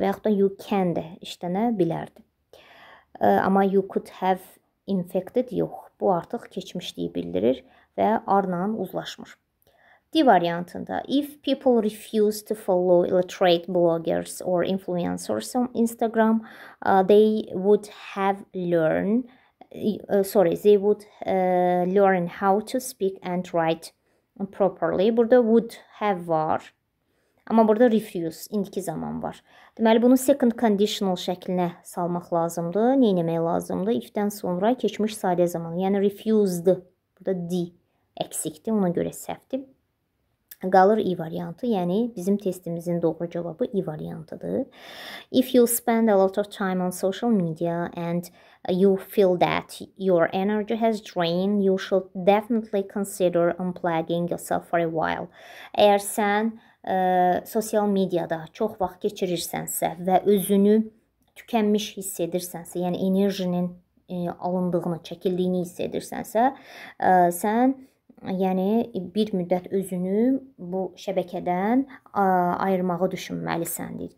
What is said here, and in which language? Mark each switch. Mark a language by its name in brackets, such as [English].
[Azerbaijani] Və yaxud da [English] you can [Azerbaijani] də işlənə bilərdi. Amma [English] you could have infected [Azerbaijani] yox. Bu artıq keçmişliyi bildirir və arla uzlaşmır. D variantında, [English] if people refuse to follow illiterate bloggers or influencers on Instagram, they would have learned, they would learn how to speak and write properly. [Azerbaijani] Burada would have var, amma burada refuse, indiki zaman var. Deməli, bunu second conditional şəklinə salmaq lazımdır. Nə etmək lazımdır? If-dən sonra keçmiş sadə zamanı, yəni refused. Burada D əksikdir, ona görə səhvdir. Qalır E variantı, yəni bizim testimizin doğru cavabı E variantıdır. [English] If you spend a lot of time on social media and you feel that your energy has drained, you should definitely consider unplugging yourself for a while. [Azerbaijani] Əgər sən sosial mediada çox vaxt keçirirsənsə və özünü tükənmiş hissedirsənsə, yəni enerjinin alındığını, çəkildiyini hissedirsənsə, sən yəni, bir müddət özünü bu şəbəkədən ayırmağı düşünməlisən, deyir.